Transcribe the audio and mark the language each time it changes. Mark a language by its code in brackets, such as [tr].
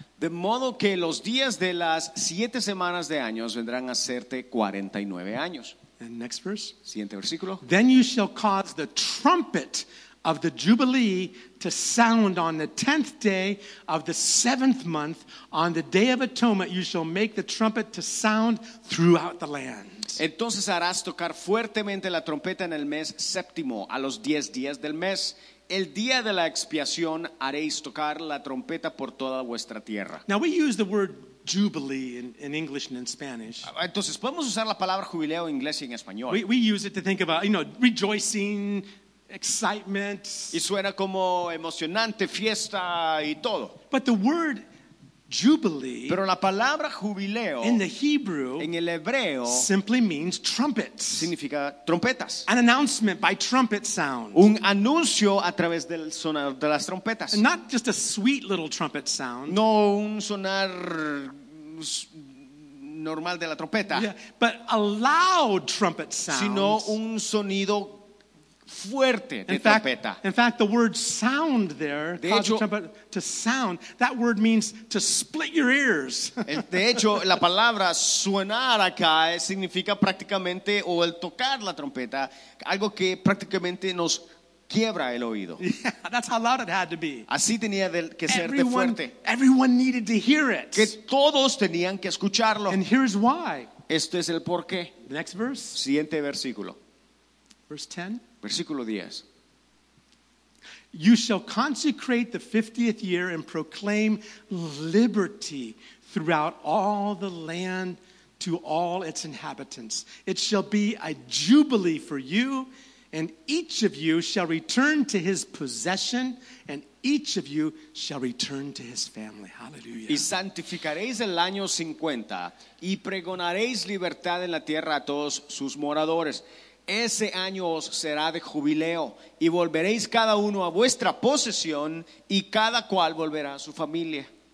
[es] De modo que los días de las 7 semanas de años vendrán a serte 49 años. [en] And next verse. [es] Siguiente versículo. [en] Then you shall cause the trumpet of the Jubilee to sound on the 10th day of the 7th month. On the Day of Atonement you shall make the trumpet to sound throughout the land. [es] Entonces harás tocar fuertemente la trompeta en el mes séptimo, a los 10 días del mes. El día de la expiación haréis tocar la trompeta por toda vuestra tierra. [en] Now we use the word jubilee in English and in Spanish. [es] Entonces podemos usar la palabra jubileo en inglés y en español. [en] We use it to think about, you know, rejoicing, excitement. [es] Y suena como emocionante, fiesta y todo. [en] But the word jubilee, [es] pero la palabra jubileo, [en] in the Hebrew, [es] en el hebreo, [en] simply means trumpets. [es] Significa trompetas. [en] An announcement by trumpet sound. [es] Un anuncio a través del sonar de las trompetas. [en] And not just a sweet little trumpet sound. [es] No un sonar normal de la trompeta. [en] Yeah, but a loud trumpet sound. [es] Sino un sonido fuerte de trompeta. [en] In fact, the word sound there, [es] de hecho, [en] the trumpet to sound, that word means to split your ears. [es] De hecho, la palabra suenar acá significa prácticamente, o el tocar la trompeta, algo que prácticamente nos quiebra el oído. [en] Yeah, that's how loud it had to be. [es] Así tenía que ser [en] everyone, [es] de fuerte. [en] Everyone needed to hear it. [es] Que todos tenían que escucharlo. [en] And here's why. [es] Esto es el porqué. [en] Next verse. [es] Siguiente versículo. [en] Verse 10. [es] Versículo 10. [en] You shall consecrate the 50th year and proclaim liberty throughout all the land to all its inhabitants. It shall be a jubilee for you, and each of you shall return to his possession, and each of you shall return to his family. Hallelujah. [es] Y santificaréis el año 50 y pregonaréis libertad en la tierra a todos sus moradores. Ese año os será de jubileo, y volveréis cada uno a vuestra posesión, y cada cual volverá a su familia.